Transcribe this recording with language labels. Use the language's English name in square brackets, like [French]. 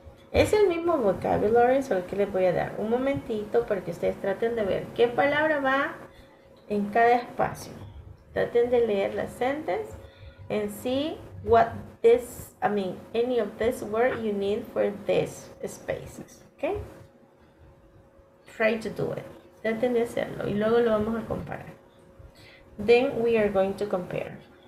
[Spanish] Es el mismo vocabulary, solo que les voy a dar un momentito para que ustedes traten de ver qué palabra va en cada espacio. Traten de leer la [English] sentence and see what this, I mean, any of this word you need for these spaces. Okay? Try to do it. [Spanish] Traten de hacerlo y luego lo vamos a comparar. [English] Then we are going to compare.